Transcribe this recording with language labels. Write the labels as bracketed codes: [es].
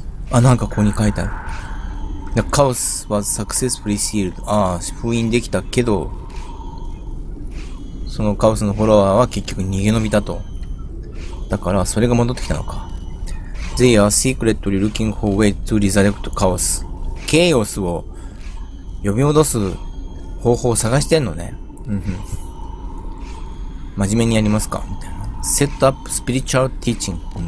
[ja] あ、なんかここに書いてある。 [en] The curse was successfully sealed. [ja] ああ、封印できたけど、そのカオスのフォロワーは結局逃げ延びたと。だから、それが戻ってきたのか。 [en] They are secretly looking for way to resurrect chaos. [ja] ケイオスを呼び戻す方法を探してんのね。真面目にやりますか。セットアップスピリチュアルティーチング。